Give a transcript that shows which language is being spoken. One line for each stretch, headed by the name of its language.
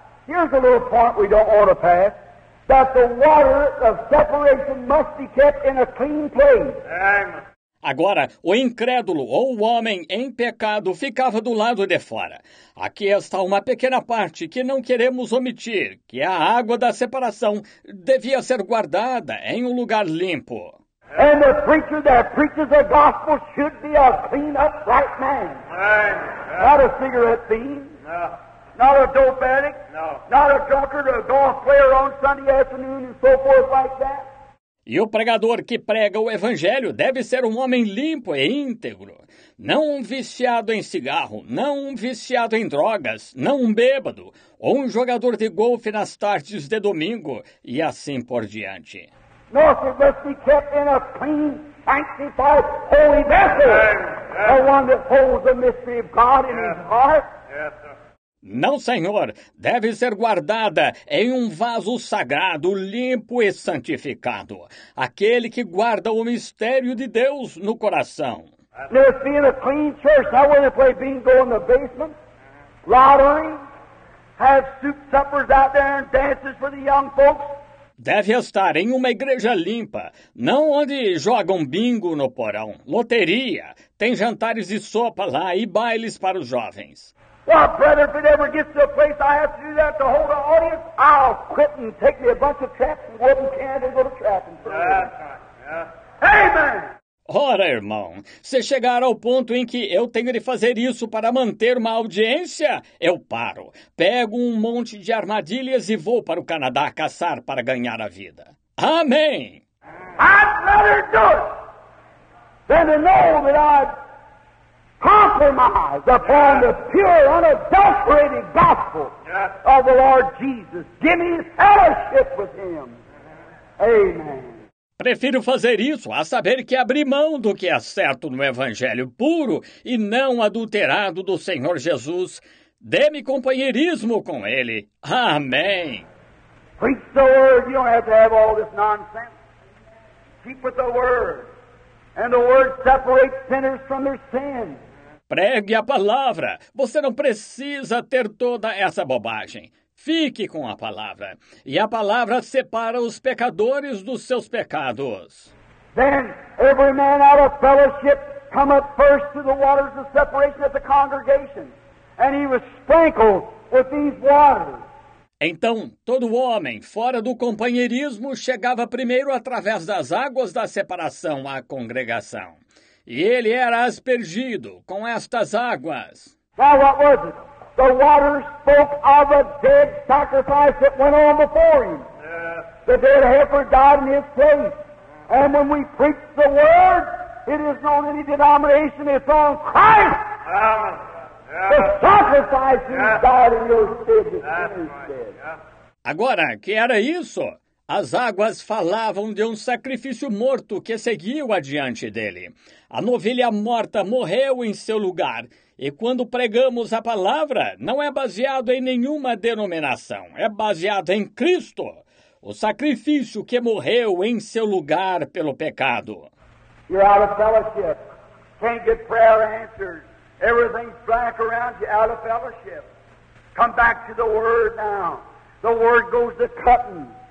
English: Here's a little point we don't want to pass. That the water of separation must be kept in a clean place.
Portuguese: Agora, o incrédulo ou o homem em pecado ficava do lado de fora. Aqui está uma pequena parte que não queremos omitir, que a água da separação devia ser guardada em um lugar limpo.
English: And the preacher that preaches the gospel should be a clean, upright man. Amen. Not a cigarette thief. No. Not a dope addict, no. Not a drunkard, a golf player on Sunday afternoon and so forth like that.
Portuguese: E o pregador que prega o evangelho deve ser um homem limpo e íntegro. Não um viciado em cigarro, não um viciado em drogas, não um bêbado, ou um jogador de golfe nas tardes de domingo e assim por diante.
English: No, it must be kept in a clean, sanctified, holy vessel. The one that holds the mystery of God in his heart.
Portuguese: Não, Senhor, deve ser guardada em um vaso sagrado, limpo e santificado. Aquele que guarda o mistério de Deus no coração.
English: Now, being a clean church, I want to play bingo in the basement, lottery, have soup suppers out there and dances for the young folks.
Portuguese: Deve estar em uma igreja limpa, não onde jogam bingo no porão, loteria, tem jantares de sopa lá e bailes para os jovens.
English: Well, brother, if it ever gets to a place I have to do that to hold an audience, I'll quit and take me a bunch of traps and wooden cans and go to trapping. That's right. Yeah. Amen!
Portuguese: Oh, agora, irmão. Se chegar ao ponto em que eu tenho de fazer isso para manter uma audiência, eu paro. Pego um monte de armadilhas e vou para o Canadá caçar para ganhar a vida. Amém!
English: I'd rather do it than to know that I'd compromise upon the pure, unadulterated gospel of the Lord Jesus. Give me fellowship with him. Amen.
Portuguese: Prefiro fazer isso a saber que abri mão do que é certo no Evangelho puro e não adulterado do Senhor Jesus. Dê-me companheirismo com Ele. Amém.
English: Preach the word. You don't have to have all this nonsense. Keep with the word. And the word separates sinners from their sins.
Portuguese: Pregue a palavra. Você não precisa ter toda essa bobagem. Fique com a palavra. E a palavra separa os pecadores dos seus pecados.
English: Then every man out of fellowship come up first to the waters of separation at the congregation. And he was sprinkled with these waters.
Portuguese: Então, todo homem fora do companheirismo chegava primeiro através das águas da separação à congregação. E ele era aspergido com estas águas.
English: Now what was it? The water spoke of a dead sacrifice that went on before him. Yeah. The dead heifer died in his place. And when we preach the word, it isn't on any denomination, it's on Christ. Yeah. Yeah. The sacrifice yeah. who died in your stead. Right. Yeah.
Portuguese: Agora, que era isso? As águas falavam de um sacrifício morto que seguiu adiante dele. A novilha morta morreu em seu lugar. E quando pregamos a palavra, não é baseado em nenhuma denominação. É baseado em Cristo, o sacrifício que morreu em seu lugar pelo pecado.
English: You're out of fellowship. Can't get prayer answered. Everything's black around you. Out of fellowship. Come back to the word now. The word goes to cutting.